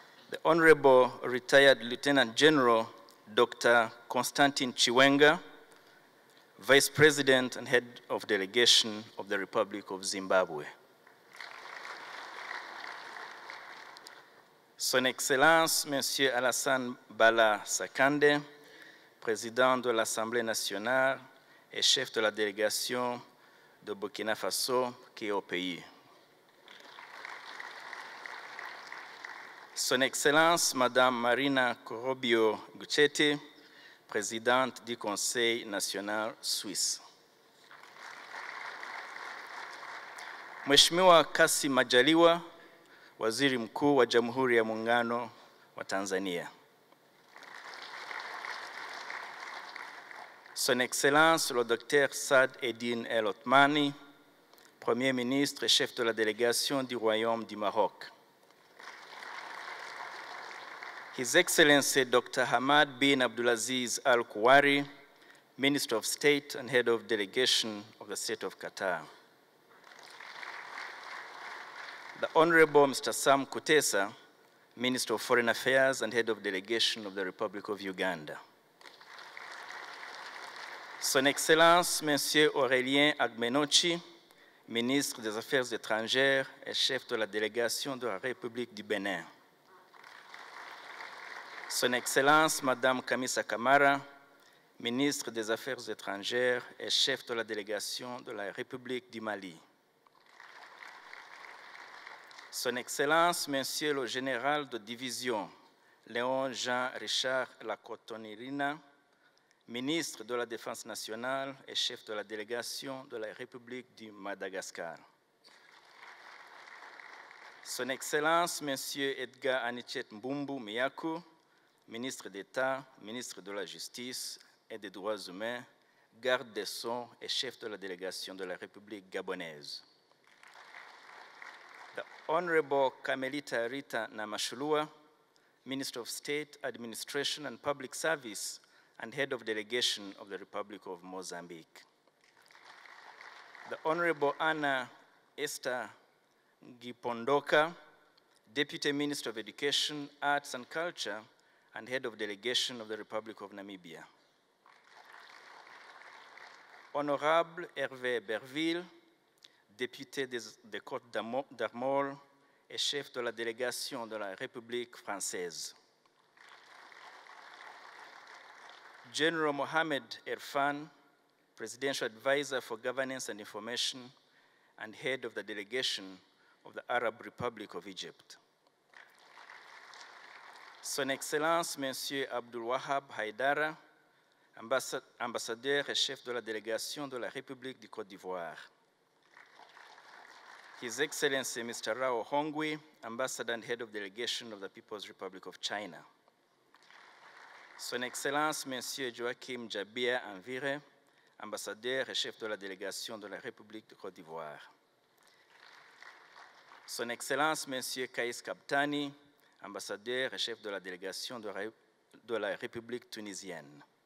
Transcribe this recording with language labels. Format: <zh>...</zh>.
<en>The Honorable Retired Lieutenant General, Dr. Constantine Chiwenga, Vice President and Head of Delegation of the Republic of Zimbabwe.</en> <fr>Son Excellence, Monsieur Alassane Bala Sakande, President de l'Assemblée Nationale, et chef de la délégation de Burkina Faso qui est au pays. Son Excellence, Madame Marina Corobio Guchetti, présidente du Conseil national suisse.</fr> <sw>Mheshimiwa Kassim Majaliwa, Waziri Mkuu wa Jamhuri ya Muungano wa Tanzania.</sw> <fr>Son Excellence, le Dr. Saad Eddine El Othmani, Premier ministre et chef de la délégation du Royaume du Maroc.</fr> <en>His Excellency Dr. Hamad bin Abdulaziz Al Kuwari, Minister of State and Head of Delegation of the State of Qatar. The Honorable Mr. Sam Kutesa, Minister of Foreign Affairs and Head of Delegation of the Republic of Uganda.</en> <fr>Son Excellence, Monsieur Aurélien Agmenochi, Ministre des Affaires étrangères et Chef de la Délégation de la République du Bénin. Son Excellence, Madame Kamisa Kamara, Ministre des Affaires étrangères et Chef de la Délégation de la République du Mali. Son Excellence, Monsieur le Général de Division, Léon-Jean-Richard Lacotonirina, Ministre de la Défense nationale et chef de la délégation de la République du Madagascar. Son Excellence, Monsieur Edgar Anichet Mbumbu Miyaku, ministre d'État, ministre de la Justice et des Droits humains, garde des Sceaux et chef de la délégation de la République gabonaise.</fr> <en>The Honorable Kamelita Rita Namashulua, Minister of State, Administration and Public Service, and Head of Delegation of the Republic of Mozambique. The Honorable Anna Esther Gipondoka, Deputy Minister of Education, Arts and Culture, and Head of Delegation of the Republic of Namibia.</en> <fr>Honorable Hervé Berville, Député des Côtes d'Armor et Chef de la Délégation de la République Française.</fr> <en>General Mohamed Erfan, Presidential Advisor for Governance and Information and Head of the Delegation of the Arab Republic of Egypt.</en> <fr>Son Excellence, Monsieur Abdul Wahab Haidara, Ambassadeur et Chef de la Délégation de la République du Côte d'Ivoire.</fr> <en>His Excellency, Mr. Rao Hongwi, Ambassador and Head of Delegation of the People's Republic of China.</en> <fr>Son Excellence, Monsieur Joachim Jabia Anvire, ambassadeur et chef de la délégation de la République de Côte d'Ivoire. Son Excellence, Monsieur Kaïs Kabtani, ambassadeur et chef de la délégation de la République tunisienne.</fr>